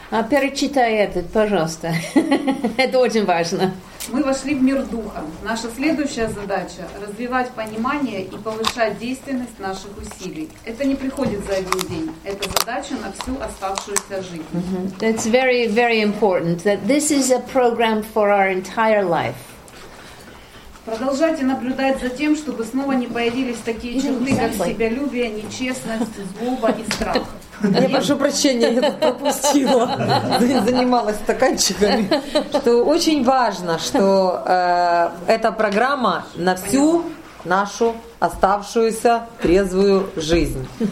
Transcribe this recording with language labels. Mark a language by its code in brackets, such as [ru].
[ru] А перечитай этот, пожалуйста. Это очень важно. Мы вошли в мир Духа. Наша следующая задача – развивать понимание и повышать действенность наших усилий. Это не приходит за один день. Это задача на всю оставшуюся жизнь. Mm-hmm. [en] That's very, very important. That this is a program for our entire life. [ru] Продолжайте наблюдать за тем, чтобы снова не появились такие черты, как себялюбие, нечестность, злоба и страх. Я прошу прощения, я тут пропустила. Занималась стаканчиками. Что очень важно, что эта программа на всю нашу оставшуюся трезвую жизнь.